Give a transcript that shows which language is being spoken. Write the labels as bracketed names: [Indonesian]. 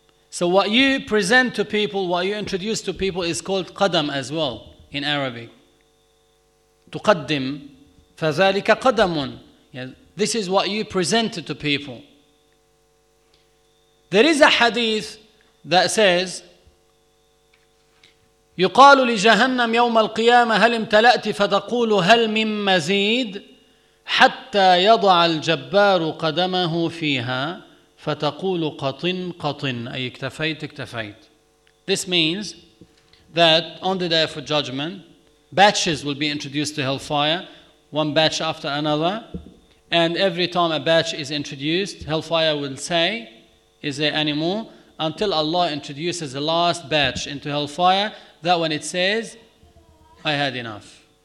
[English] So what you present to people, what you introduce to people is called qadam as well in Arabic. [Arabic] تقدم فذلك قدم. [English] This is what you present to people. There is a hadith that says, [Arabic] يقال لجهنم يوم القيامة هل امتلأت فتقول هل من مزيد حتى يضع الجبار قدمه فيها فتقول قطن قطن. أي اكتفيت. [English] This means that on the day of judgment, batches will be introduced to hellfire, one batch after another. And every time a batch is introduced, hellfire will say, is there any more? Until Allah introduces the last batch into hellfire, that when it says, I had enough.